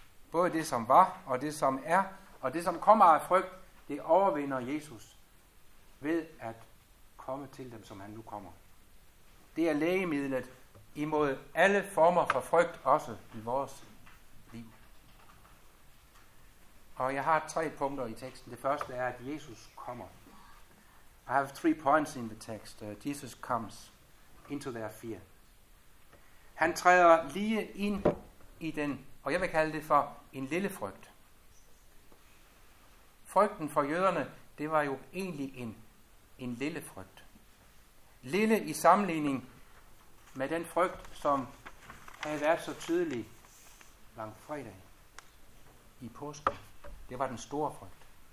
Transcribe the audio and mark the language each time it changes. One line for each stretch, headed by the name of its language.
Danish: Både det, som var, og det, som er, og det, som kommer af frygt, det overvinder Jesus ved at komme til dem, som han nu kommer. Det er lægemidlet imod alle former for frygt, også i vores liv. Og jeg har tre punkter i teksten. Det første er, at Jesus kommer.
English: I have three points in the text. Jesus comes into their fear.
Danish: Han træder lige ind i den, og jeg vil kalde det for en lille frygt. Frygten for jøderne, det var jo egentlig en lille frygt. Lille i sammenligning med den frygt, som havde været så tydelig langfredag i påske. Det var den store frygt.